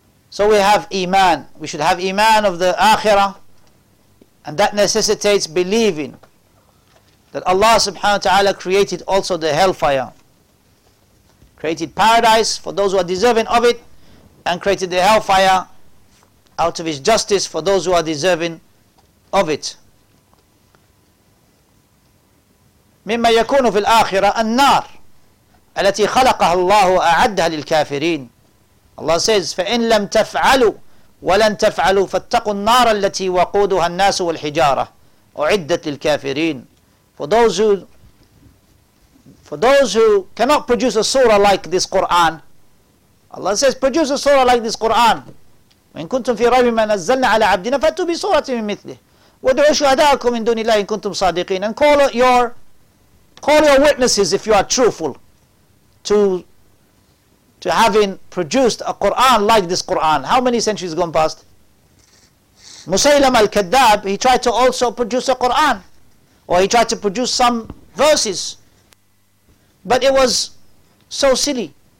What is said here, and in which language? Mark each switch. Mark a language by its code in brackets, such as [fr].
[en] So we have iman. We should have iman of the akhirah, and that necessitates believing that Allah subhanahu wa ta'ala created also the hellfire, created paradise for those who are deserving of it, and created the hellfire out of his justice for those who are deserving of it. [ar] مما يكون في الآخرة النار التي خلقها الله أعدها للكافرين. [en] Allah says, [ar] فإن لم تفعلوا ولن تفعلوا فاتقوا النار التي وقودها الناس والحجارة أعدت للكافرين. [en] For those who cannot produce a surah like this Quran, Allah says, produce a surah like this Quran. [ar] وإن كنتم في ريب ما نزلنا على عبدنا فأتوا بسورة من مثله وادعوا شهداءكم من دون الله إن كنتم صادقين. [en] And call your witnesses if you are truthful to having produced a Quran like this Quran. How many centuries gone past? Musaylam al-Kadhab, he tried to also produce a Quran, or he tried to produce some verses, but it was so silly.